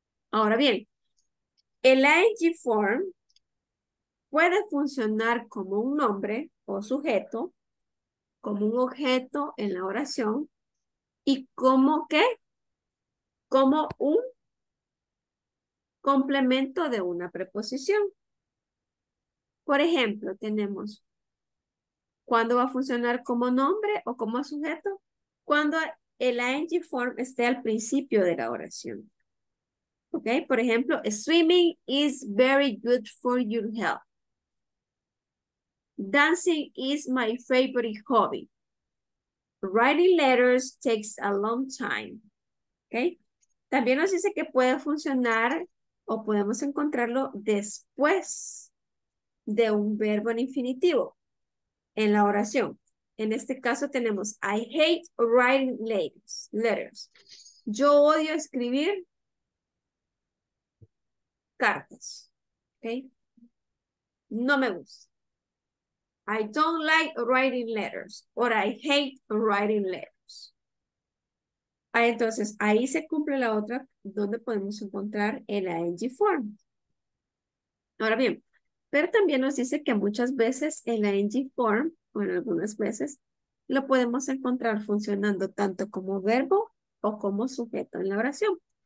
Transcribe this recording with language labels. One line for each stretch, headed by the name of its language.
Spanish: Ahora bien, el ing form puede funcionar como un nombre o sujeto, como un objeto en la oración, y como qué, como un complemento de una preposición. Por ejemplo, tenemos, ¿cuándo va a funcionar como nombre o como sujeto? Cuando el ing form esté al principio de la oración. ¿Ok?
English: Por ejemplo, swimming is very good for your health. Dancing is my favorite hobby. Writing letters takes a long time. ¿Okay?
Spanish: También nos dice que puede funcionar o podemos encontrarlo después de un verbo en infinitivo en la oración. En este caso tenemos I hate writing letters. Yo odio escribir cartas. ¿Okay? No me gusta.
English: I don't like writing letters, or I hate writing letters.
Spanish: Entonces, ahí se cumple la otra, donde podemos encontrar el ing form. Ahora bien, pero también nos dice que muchas veces el ing form, o en algunas veces, lo podemos encontrar funcionando tanto como verbo o como sujeto en la oración.